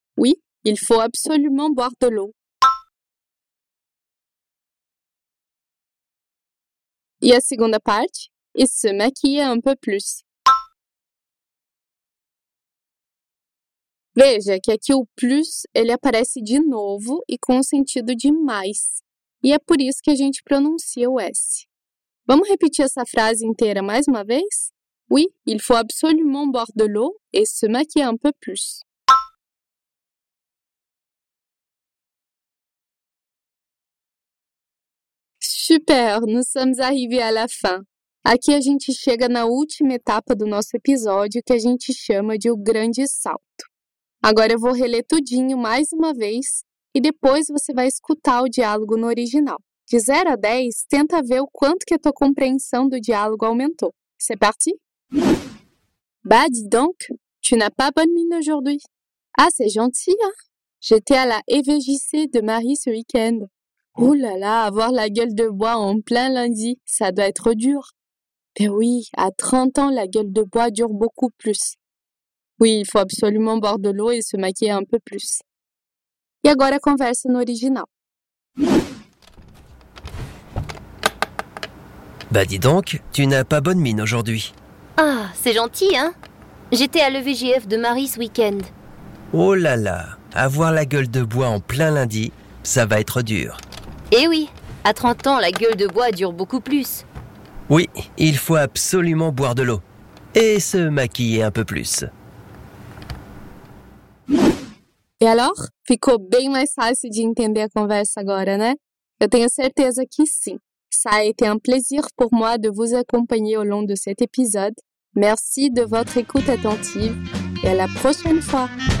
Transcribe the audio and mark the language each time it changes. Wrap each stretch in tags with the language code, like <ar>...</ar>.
<fr>Oui, il faut absolument boire de l'eau.</fr> <pt>E a segunda parte?</pt> <fr>Et se maquiller un peu plus.</fr> <pt>Veja que aqui o plus ele aparece de novo e com o sentido de mais. E é por isso que a gente pronuncia o S. Vamos repetir essa frase inteira mais uma vez?</pt> <fr>Oui, il faut absolument boire de l'eau et se maquiller un peu plus. Super, nous sommes arrivés à la fin.</fr> <pt>Aqui a gente chega na última etapa do nosso episódio, que a gente chama de o grande salto. Agora eu vou reler tudinho mais uma vez e depois você vai escutar o diálogo no original. De 0 a 10, tenta ver o quanto que a tua compreensão do diálogo aumentou.</pt> <fr>C'est parti? Bah, dis donc, tu n'as pas bonne mine aujourd'hui. Ah, c'est gentil, hein? J'étais à la EVJC de Marie ce week-end. Oh là là, avoir la gueule de bois en plein lundi, ça doit être dur. Ben oui, à 30 ans, la gueule de bois dure beaucoup plus. Oui, il faut absolument boire de l'eau et se maquiller un peu plus.</fr> <pt>E agora a conversa no original.</pt> <fr>Bah, dis donc, tu n'as pas bonne mine aujourd'hui. Ah, c'est gentil, hein? J'étais à l'EVJF de Marie ce week-end. Oh là là, avoir la gueule de bois en plein lundi, ça va être dur. Eh oui, à 30 ans, la gueule de bois dure beaucoup plus. Oui, il faut absolument boire de l'eau et se maquiller un peu plus.</fr> <pt>E alors? Ficou bem mais fácil de entender a conversa agora, né? Eu tenho certeza que sim.</pt> <fr>Ça a été un plaisir pour moi de vous accompagner au long de cet épisode. Merci de votre écoute attentive et à la prochaine fois!</fr>